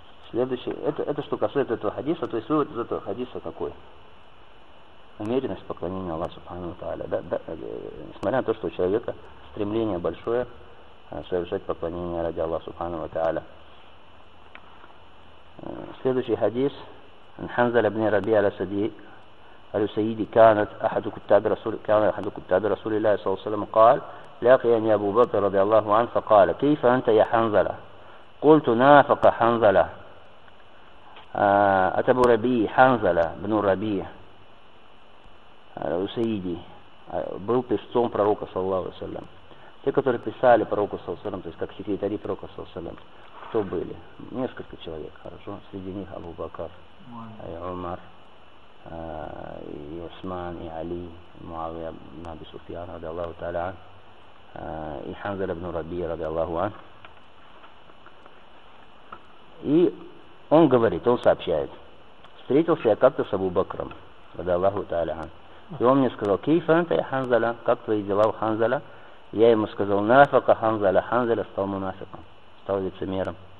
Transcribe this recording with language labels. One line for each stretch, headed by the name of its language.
Russian: Следующее. Это что касается этого хадиса, то есть вывод из этого хадиса какой? Умеренность поклонения Аллаху субхану ва тааля. Несмотря на то, что у человека стремление большое совершать поклонение ради Аллаха субхану ва тааля. Следующий хадис.
Arabic: حنزل بن ربيعة السيدي كان أحد كتاب رسول الله صلى الله عليه وسلم قال لاقيني أبو بكر رضي الله عنه فقال كيف أنت يا حنزلة قلت نافق حنزلة أبو ربيعة حنزلة بن ربيعة
Russian: السيدي был писцом пророка
Arabic: صلى الله عليه وسلم
Russian: те которые писали пророка صلى الله عليه وسلم то есть как секретари пророка صلى الله عليه وسلم кто были несколько человек хорошо среди них Абу Бакр и Умар, и Усман, и Али, и Муавия, и Наби Суфьян, ради Аллаху Та'аля, и Ханзаль ибн Рабия, ради Аллаху Ан. И он говорит, он сообщает, встретился я как-то с Абу Бакром, ради Аллаху Та'аля. И он мне сказал,
Arabic: кейфа анта я Ханзаля,
Russian: как твои дела у Ханзаля? Я ему сказал,
Arabic: нафака Ханзаля,
Russian: Ханзаля стал мунафиком, стал лицемером.